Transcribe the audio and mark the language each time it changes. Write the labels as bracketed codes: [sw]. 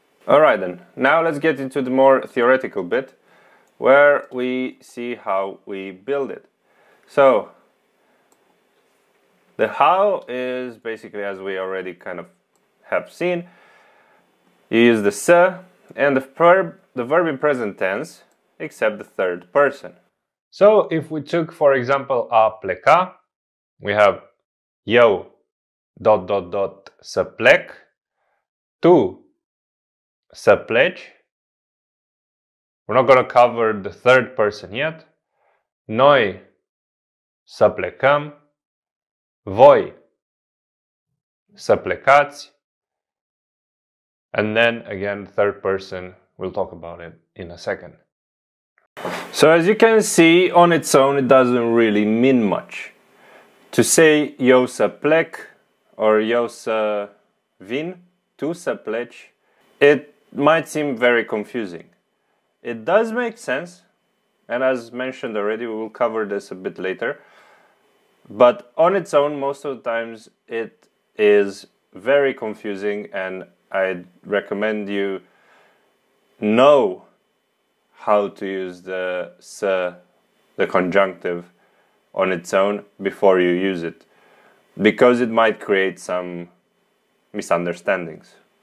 [en] All right then, now let's get into the more theoretical bit where we see how we build it. So, the how is basically, as we already kind of have seen, you use the se and the verb in present tense, except the third person. So, if we took, for example, a pleca, we have eu dot dot dot [ro] să plec, tu să pleci. [en] We're not going to cover the third person yet. [ro] Noi să plecăm, voi să plecați. [en] And then again, third person, we'll talk about it in a second. So as you can see, on its own, it doesn't really mean much. To say [ro] eu să plec [en] or [ro] eu să vin, tu să pleci, [en] it might seem very confusing. It does make sense, and as mentioned already, we will cover this a bit later, but on its own, most of the times, it is very confusing, and I'd recommend you know how to use the se, the conjunctive, on its own before you use it, because it might create some misunderstandings.